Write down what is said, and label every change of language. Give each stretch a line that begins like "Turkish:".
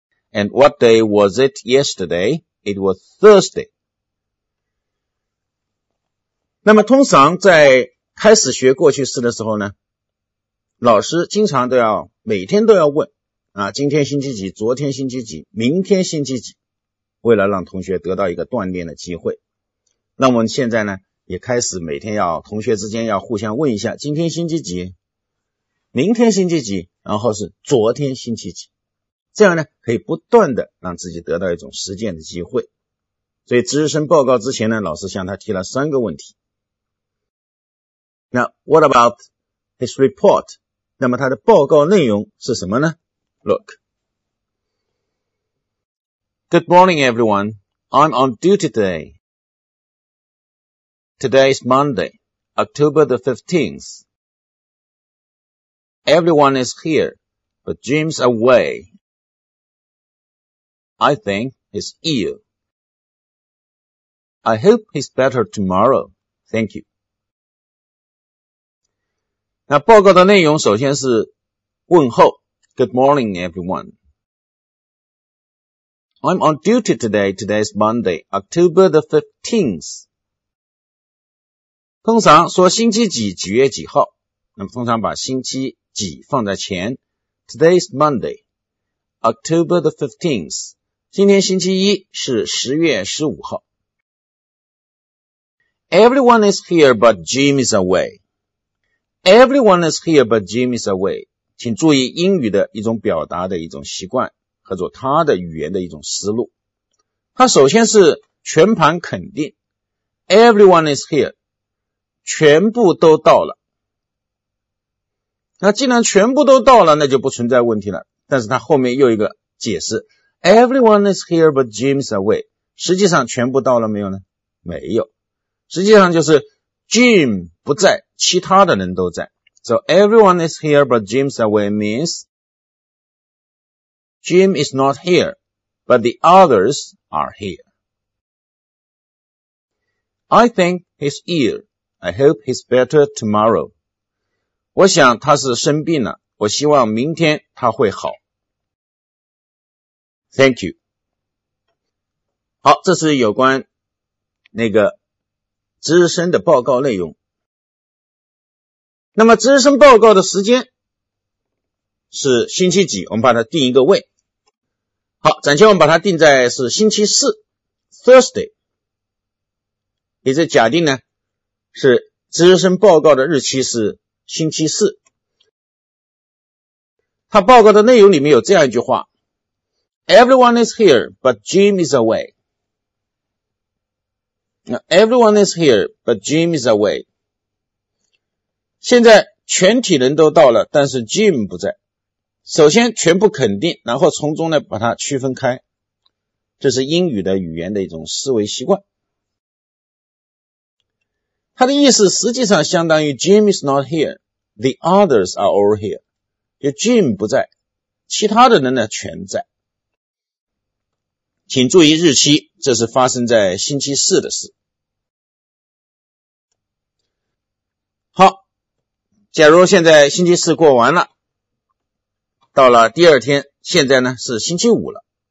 English: And what day was it yesterday? It was Thursday.
Chinese: 那么通常在开始学过去式的时候呢，老师经常都要每天都要问啊，今天星期几，昨天星期几，明天星期几，为了让同学得到一个锻炼的机会。那我们现在呢，也开始每天要同学之间要互相问一下，今天星期几，明天星期几，然后是昨天星期几，这样呢可以不断的让自己得到一种实践的机会。所以值日生报告之前呢，老师向他提了三个问题。
English: Now, what about his report?
Chinese: 那么他的报告内容是什么呢？
English: Look. Good morning, everyone. I'm on duty today. Today is Monday, October the 15th. Everyone is here, but Jim's away. I think he's ill. I hope he's better tomorrow. Thank you.
Chinese: 那报告的内容首先是问候
English: Good morning, everyone. I'm on duty today. Today is Monday, October the 15th.
Chinese: 通常说星期几几月几号，那么通常把星期几放在前。
English: Today is Monday, October the 15th.
Chinese: 今天星期一是10月15号。
English: Everyone is here, but Jim is away. Everyone is here, but Jim is away.
Chinese: 请注意英语的一种表达的一种习惯，和做他的语言的一种思路。他首先是全盘肯定。
English: Everyone is here.
Chinese: 全部都到了。那既然全部都到了，那就不存在问题了。但是他后面又有一个解释。 Everyone is here, but Jim is away. 实际上全部到了没有呢？没有。实际上就是 Jim 不在，其他的人都在。
English: So everyone is here but Jim's away means Jim is not here but the others are here. I think he's ill. I hope he's better tomorrow.
Chinese: 我想他是生病了，我希望明天他会好。 Thank you. 好，这是有关那个值日生的报告内容。那么值日生报告的时间是星期几，我们把它定一个位。好，暂且我们把它定在是星期四 Thursday。也就假定呢是值日生报告的日期是星期四。他报告的内容里面有这样一句话，
English: Everyone is here but Jim is away。 Now, everyone is here, but Jim is away.
Chinese: 现在全体人都到了，但是 Jim 不在。首先全部肯定，然后从中呢把它区分开。这是英语的语言的一种思维习惯。它的意思实际上相当于
English: Jim is not here, the others are all here.
Chinese: 就 Jim 不在，其他的人呢全在。请注意日期，这是发生在星期四的事。好，假如现在星期四过完了，到了第二天，现在呢是星期五了。